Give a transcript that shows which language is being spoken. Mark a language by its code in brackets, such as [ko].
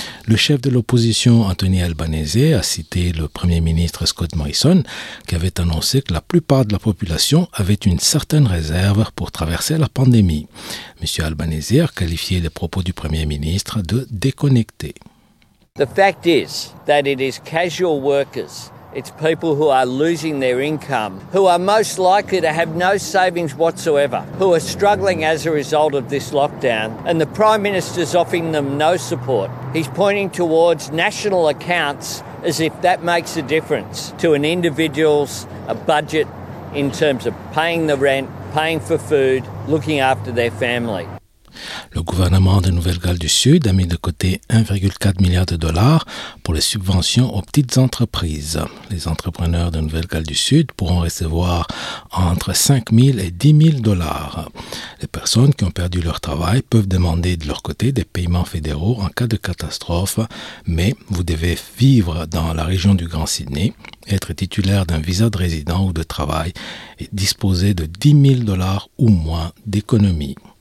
[fr] Le chef de l'opposition, Anthony Albanese, a cité le premier ministre Scott Morrison, qui avait annoncé que la plupart de la population avait une certaine réserve pour traverser la pandémie. Monsieur Albanese a qualifié les propos du premier ministre de déconnecté. [en] The fact is that it is casual workers, it's people who are losing their income, who are most likely to have no savings whatsoever, who are struggling as a result of this lockdown, and the Prime Minister's offering them no support. He's pointing towards national accounts as if that makes a difference to an individual's budget in terms of paying the rent, paying for food, looking after their family. [fr] Le gouvernement de Nouvelle-Galles du Sud a mis de côté 1,4 milliard de dollars pour les subventions aux petites entreprises. Les entrepreneurs de Nouvelle-Galles du Sud pourront recevoir entre 5 000 et 10 000 dollars. Les personnes qui ont perdu leur travail peuvent demander de leur côté des paiements fédéraux en cas de catastrophe, mais vous devez vivre dans la région du Grand Sydney, être titulaire d'un visa de résident ou de travail et disposer de 10 000 dollars ou moins d'économie.